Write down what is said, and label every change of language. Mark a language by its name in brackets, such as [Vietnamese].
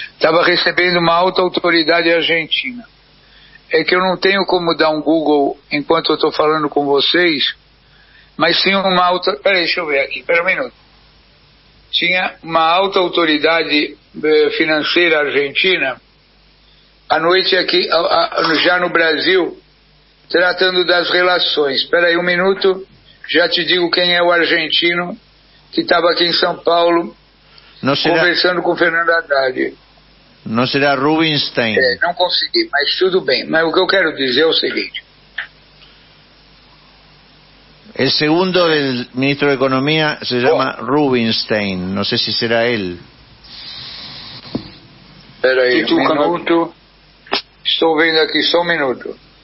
[Spanish] Estaba recibiendo una alta autoridad argentina. [Portuguese] é que eu não tenho como dar um Google enquanto eu estou falando com vocês, mas sim uma alta... Peraí, deixa eu ver aqui, pera um minuto. Tinha uma alta autoridade financeira argentina, à noite aqui, já no Brasil, tratando das relações. Espera aí um minuto, já te digo quem é o argentino que estava aqui em São Paulo não será... conversando com Fernando Haddad. Não será Rubinstein? É, não consegui, mas tudo bem. Mas o que eu quero dizer é o seguinte. [Spanish] El segundo del ministro de Economía se llama Rubinstein. No sé si será él. Espera ahí, un minuto. Estoy viendo aquí, solo un minuto.